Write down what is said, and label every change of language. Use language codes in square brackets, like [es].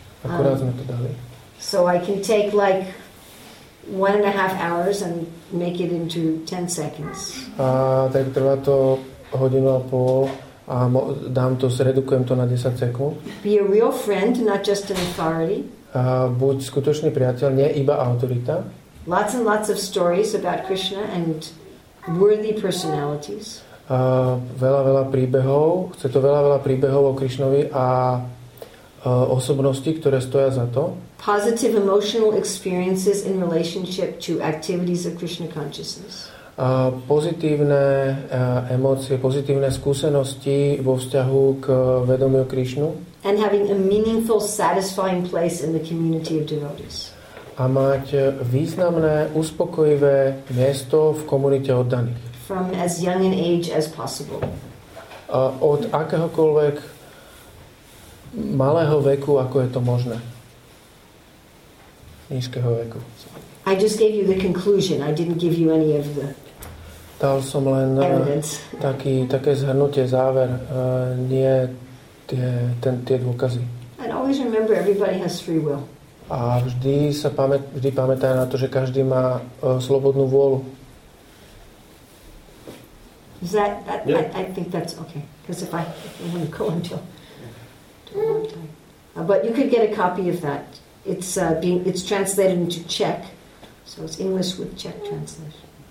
[sk] Akurát sme to dali. [en] So I can take like 1.5 hours and make it into 10 seconds. [sk] Tak trvá to hodinu a pol a dám to, zredukujem to na 10 sekúnd. [en] Be a real friend, not just an authority. [sk] Buď skutočný priateľ, nie iba autorita. [en] Lots and lots of stories about Krishna and worthy personalities. [sk] Veľa príbehov, chce to veľa príbehov o Krišnovi a osobnosti, ktoré stoja za to. [en] Positive emotional experiences in relationship to activities of Krishna consciousness. [sk] Pozitívne emócie, pozitívne skúsenosti vo vzťahu k vedomiu Krišnu. [en] And having a meaningful, satisfying place in the community of devotees. [sk] A mať významné, uspokojivé miesto v komunite oddaných. [en] From as young an age as possible. [sk] Od akéhokoľvek malého veku, ako je to možné. Nízkeho veku. [en] I just gave you the conclusion. I didn't give you any of the [sk] dal som len [en] evidence. [sk] Také zhrnutie, záver. Nie tie dôkazy. [en] And always remember, everybody has free will. [sk] A vždy pamätaj na to, že každý má slobodnú vôľu. [en] Is that yeah. I think that's okay. Because if I want to go until time. But you could get a copy of that. It's it's translated into Czech. So it's English with Czech translation.